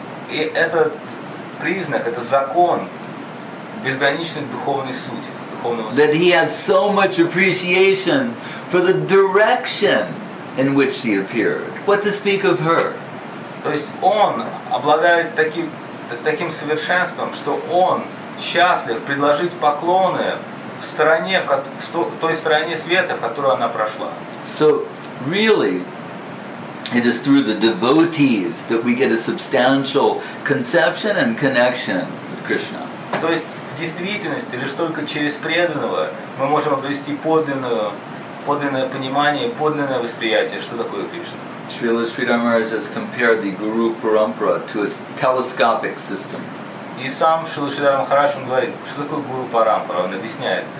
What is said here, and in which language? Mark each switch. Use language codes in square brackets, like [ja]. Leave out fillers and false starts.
[ru] И это признак, это закон безграничной духовной сути, духовного сути. [en] That he has so much appreciation for the direction in which she appeared. What to speak of her? [ru] То есть он обладает таким совершенством, что он счастлив предложить поклоны в стороне, в той стороне света, в которую она прошла. [en] So really, it is through the devotees that we get a substantial conception and connection with Krishna. [ru] То есть в действительности лишь только через преданного мы можем обрести подлинное понимание, подлинное восприятие, что такое Кришна. [en] Srila Sridhar Maharaj has compared the Guru Parampara to a telescopic system. [ru] И сам Шрила Шридхар Махарадж говорит, что такое Гуру Парампара, он объясняет.